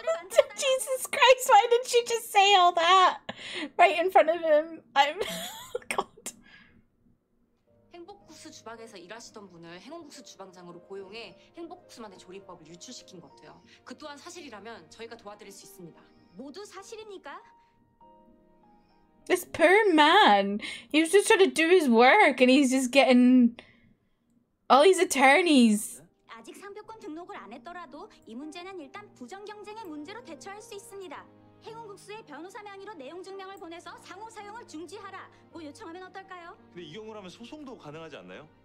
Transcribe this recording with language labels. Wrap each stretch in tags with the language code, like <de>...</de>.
<en>Jesus Christ, why didn't you just say all that? Right in front of him. I'm...</en> <ko>행복국수 주방에서 일하시던 분을 행운국수 주방장으로 고용해 행복국수만의 조리법을 유출시킨 것 같아요. 그 또한 사실이라면 저희가 도와드릴 수 있습니다. 모두 사실입니까?</ko> <en>This poor man. He was just trying to do his work and he's just getting all these attorneys.</en> <ko>아직 상표권 등록을 안 했더라도 이 문제는 일단 부정 경쟁의 문제로 대처할 수 있습니다. 행운국수의 변호사 명의로 내용 증명을 보내서 상호 사용을 중지하라고 요청하면 어떨까요? 근데 이 경우라면 소송도 가능하지 않나요?</ko>